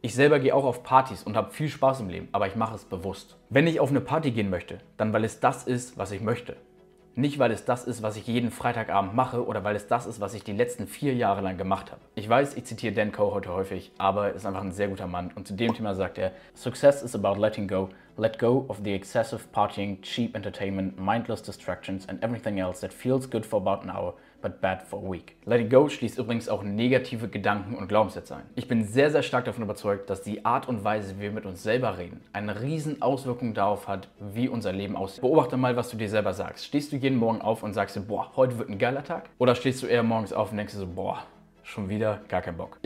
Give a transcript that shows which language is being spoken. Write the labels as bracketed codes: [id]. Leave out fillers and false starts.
[de] Ich selber gehe auch auf Partys und habe viel Spaß im Leben, aber ich mache es bewusst. Wenn ich auf eine Party gehen möchte, dann weil es das ist, was ich möchte. Nicht, weil es das ist, was ich jeden Freitagabend mache oder weil es das ist, was ich die letzten 4 Jahre lang gemacht habe. Ich weiß, ich zitiere Dan Coe heute häufig, aber er ist einfach ein sehr guter Mann. Und zu dem Thema sagt er, [en] Success is about letting go. Let go of the excessive partying, cheap entertainment, mindless distractions and everything else that feels good for about an hour, but bad for a week. [de] Letting go schließt übrigens auch negative Gedanken und Glaubenssätze ein. Ich bin sehr, sehr stark davon überzeugt, dass die Art und Weise, wie wir mit uns selber reden, eine riesen Auswirkung darauf hat, wie unser Leben aussieht. Beobachte mal, was du dir selber sagst. Stehst du jeden Morgen auf und sagst dir, boah, heute wird ein geiler Tag? Oder stehst du eher morgens auf und denkst dir so, boah, schon wieder gar keinen Bock.